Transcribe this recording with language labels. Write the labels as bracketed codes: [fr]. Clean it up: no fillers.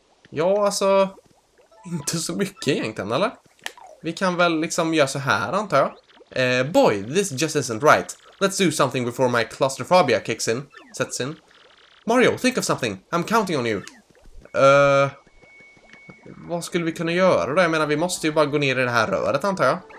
[sv] Ja, alltså, inte så mycket egentligen, eller? Vi kan väl liksom göra så här, antar jag. [en] Boy, this just isn't right. Let's do something before my claustrophobia kicks in. Sets in. Mario, think of something. I'm counting on you. [sv] Vad skulle vi kunna göra då? Jag menar, vi måste ju bara gå ner i det här röret, antar jag.